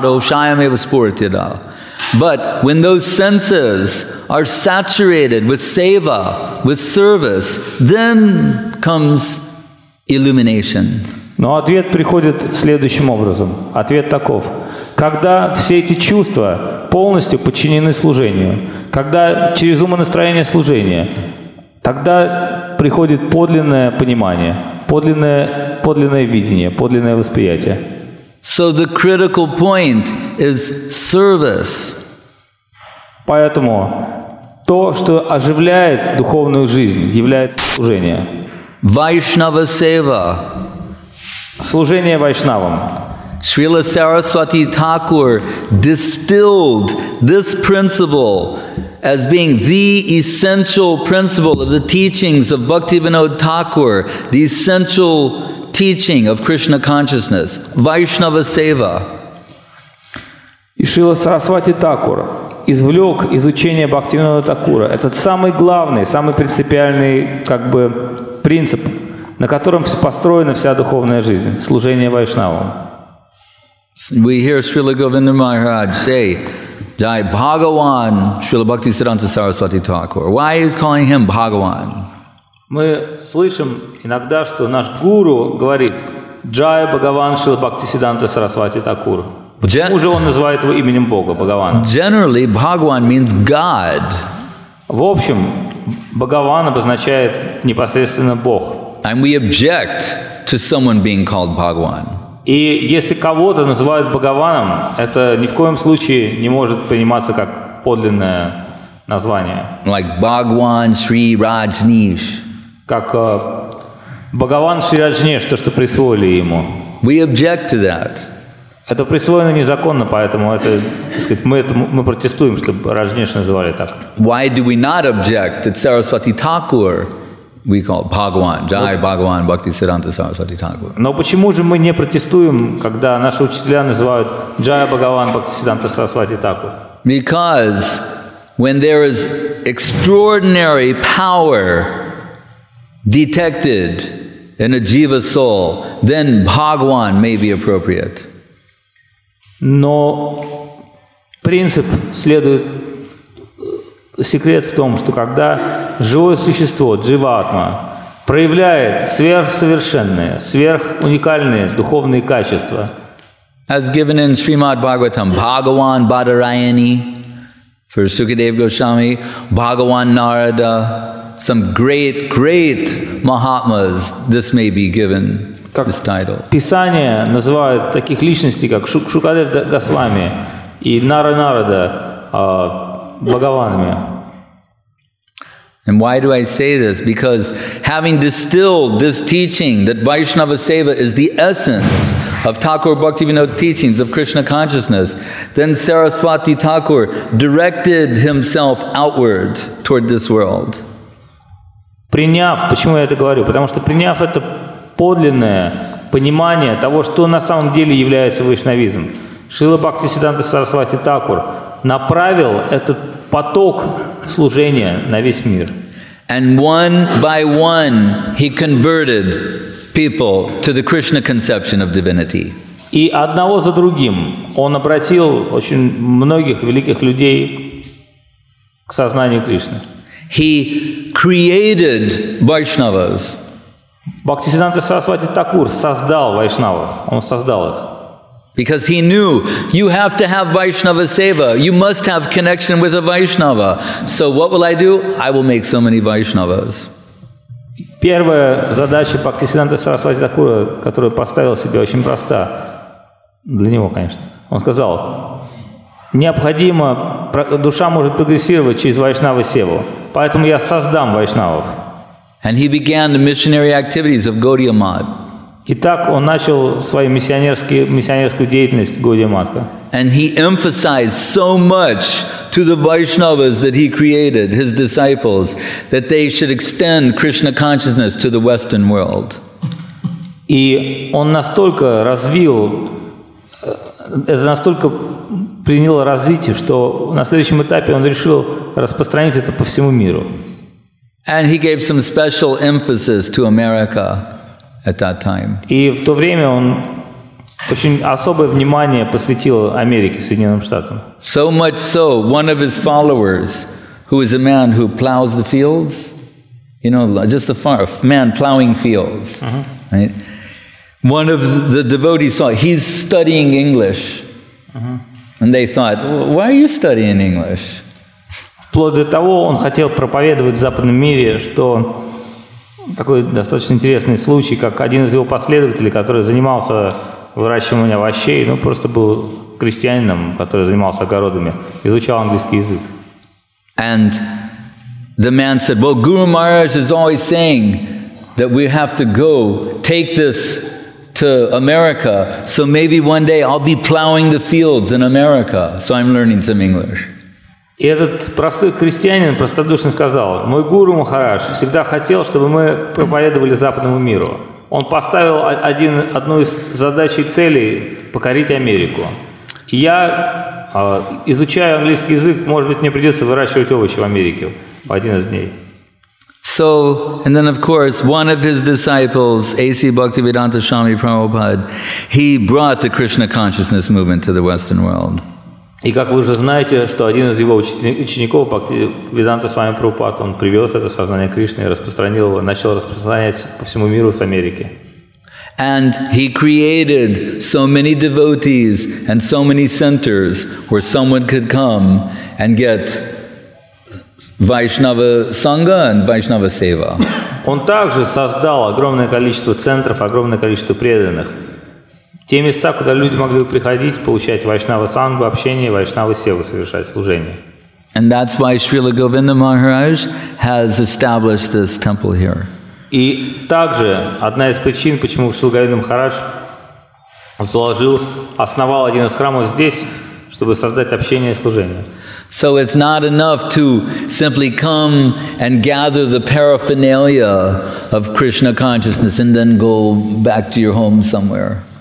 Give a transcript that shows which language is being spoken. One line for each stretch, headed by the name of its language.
English: But when those senses are saturated with seva, with service, then comes illumination.
Russian: Но ответ приходит следующим образом. Ответ таков. Когда все эти чувства полностью подчинены служению, когда через умонастроение служения, тогда приходит подлинное понимание. Подлинное видение, подлинное восприятие.
English: So the critical point is service.
Russian: Поэтому то, что оживляет духовную жизнь, является служение.
English: Vaishnava seva.
Russian: Служение вайшнавам.
English: Srila Saraswati Thakur distilled this principle as being the essential principle of the teachings of Bhaktivinoda Thakur, the essential teaching of Krishna consciousness, Vaishnava Seva.
Russian: И Шрила Сарасвати Такур извлек из учения Бхактивинода Такура этот самый главный, самый принципиальный как бы принцип, на котором построена вся духовная жизнь, служение вайшнавам.
English: We hear Srila Govinda Maharaj say, Jai Bhagavan, Srila Bhakti Siddhanta Saraswati Thakur. Why is calling him Bhagavan?
Russian: Мы слышим иногда, что наш гуру говорит Jai Bhagavan Srila Bhakti Siddhanta Saraswati Thakur. Почему же он называет его именем Бога, Бхагаван?
English: Generally, Bhagavan means God.
Russian: В общем, Бхагаван обозначает непосредственно Бог.
English: And we object to someone being called Bhagavan.
Russian: И если кого-то называют Бхагаваном, это ни в коем случае не может приниматься как подлинное название.
English: Like Bhagwan Sri Rajneesh.
Russian: Как Бхагаван Шри Раджнеш, то, что присвоили ему.
English: We object to that.
Russian: Это присвоено незаконно, поэтому это, так сказать, мы протестуем, чтобы Раджнеш называли так.
English: Why do we not object that Saraswati Thakur we call Bhagwan, Jai Bhagwan, Bhakti Siddhanta Saraswati Thakur.
Russian: Но почему же мы не протестуем, когда наши учителя называют Jai Bhagwan, Bhakti Siddhanta Saraswati Thakur?
English: Because when there is extraordinary power detected in a jiva soul, then Bhagwan may be appropriate.
Russian: Но принцип следует. Секрет в том, что когда живое существо, дживатма, проявляет сверхсовершенные, сверхуникальные духовные качества.
English: As given in Srimad Bhagavatam, Bhagavan Badarayani for Sukadev Goswami, Bhagavan Narada, some great, great Mahatmas, this may be given this title.
Russian: Писание называет таких личностей, как Шукадев Госвами и Нара Нарада, Бхагаванами.
English: And why do I say this? Because having distilled this teaching that Vaishnava Seva is the essence of Thakur Bhaktivinoda's teachings of Krishna consciousness, then Saraswati Thakur directed himself outward toward this world.
Russian: Приняв, почему я это говорю? Потому что приняв это подлинное понимание того, что на самом деле является вайшнавизм, Шрила Бхактисиддханта Сарасвати Такур направил этот поток служения на весь мир.
English: And one by one he converted people to the Krishna conception of divinity.
Russian: И одного за другим он обратил очень многих великих людей к сознанию Кришны.
English: He created Vaishnavas.
Russian: Бхактисиддханта Сарасвати Такур создал вайшнавов. Он создал их.
English: Because he knew you have to have Vaishnava Seva, you must have connection with a Vaishnava. So what will I do? I will make so many Vaishnavas.
Russian: Первая задача Бхактисиддханта Сарасвати Такура, которую поставил себе, очень проста. Для него, конечно. Он сказал, необходимо, душа может прогрессировать через вайшнава севу, поэтому я создам вайшнавов.
English: And he began the missionary activities of Gaudiya Math.
Russian: И так он начал свою миссионерскую деятельность Gaudiya Matha.
English: And he emphasized so much to the Vaishnavas that he created, his disciples, that they should extend Krishna consciousness to the Western world.
Russian: И он настолько развил, это настолько приняло развитие, что на следующем этапе он решил распространить это по всему миру.
English: And he gave some special emphasis to America at that time.
Russian: И в то время он очень особое внимание посвятил Америке, Соединенным Штатам.
English: So much so, one of his followers, who is a man who plows the fields, you know, just a farm, man plowing fields, right? One of the devotees saw, he's studying English. And they thought, why are you studying English?
Russian: Вплоть до того, он хотел проповедовать в западном мире, что такой достаточно интересный случай, как один из его последователей, который занимался выращиванием овощей, ну просто был крестьянином, который занимался огородами, изучал английский язык.
English: And the man said, well, Guru Maharaj is always saying that we have to go take this to America, so maybe one day I'll be plowing the fields in America, so I'm learning some English.
Russian: И этот простой крестьянин простодушно сказал, мой гуру Махарадж всегда хотел, чтобы мы проповедовали западному миру. Он поставил одну из задач и целей – покорить Америку. Я изучаю английский язык, может быть, мне придется выращивать овощи в Америке в один из дней.
English: So, and then of course, one of his disciples, A.C. Bhaktivedanta Swami Prabhupada, he brought the Krishna consciousness movement to the Western world.
Russian: И как вы уже знаете, что один из его учеников, Бхактивиданта Свами Прабхупад, он привез это сознание Кришны и распространил его, начал распространять по всему миру с Америки.
English: And he created so many devotees and so many centers where someone could come and get Vaishnava Sangha and Vaishnava Seva.
Russian: Он также создал огромное количество центров, огромное количество преданных. Те места, куда люди могли бы приходить, получать вайшнава сангу, общение, вайшнава севу, совершать служение.
English: And that's why Srila Govinda Maharaj has established this temple here.
Russian: И также одна из причин, почему Шрила Говинда Махарадж заложил, основал один из храмов здесь, чтобы создать общение и служение.
English: So it's not enough to simply come and gather the paraphernalia of Krishna consciousness and then go back to your home somewhere.